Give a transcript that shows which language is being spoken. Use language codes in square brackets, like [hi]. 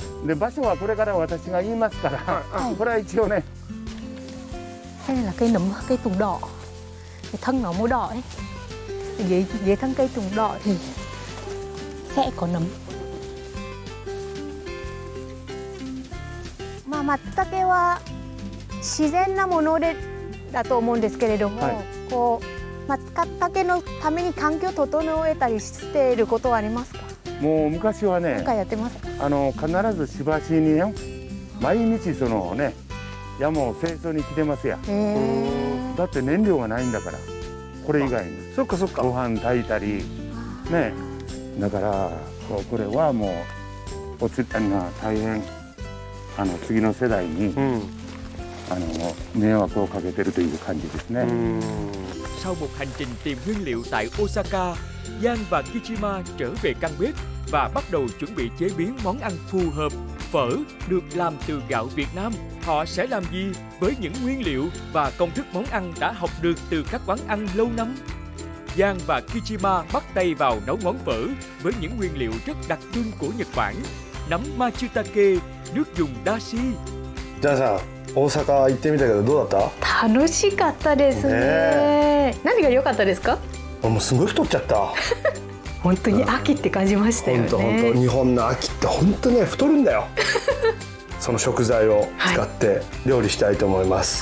[ja] で、場所はこれから私が言いますから、はい、これは一応ね、はい、これは [vi] cây nấm, cây tùng đỏ. Thân nó màu đỏ ấy. Dưới thân cây tùng đỏ thì sẽ có nấm. [ja] まあ、松茸は自然なものでだと思うんですけれども、はい、こう松茸のために環境を整えたりしていることはありますか？もう昔はね、何かやってますか？必ずしばしに、ね、毎日そのね、山を清掃に来てますや。だって燃料がないんだから、これ以外に。そっかそっか。ご飯炊いたりね、だからこれはもうおつったには大変次の世代に、うん、迷惑をかけてるという感じですね。 [vi] Sau một hành trình tìm nguyên liệu tại Osaka, Giang và Kichima trở về căn bếp và bắt đầu chuẩn bị chế biến món ăn phù hợp. Phở được làm từ gạo Việt Nam. Họ sẽ làm gì với những nguyên liệu và công thức món ăn đã học được từ các quán ăn lâu năm? Giang và Kichima bắt tay vào nấu món phở với những nguyên liệu rất đặc trưng của Nhật Bản. Nấm Matsutake, nước dùng dashi. [ja] Giang-san, 大阪行ってみたけどどうだった？楽しかったですね。何が良かったですか？もうすごい太っちゃった本当に秋って感じましたよね。本当本当、日本の秋って本当ね、太るんだよその食材を使って料理したいと思います、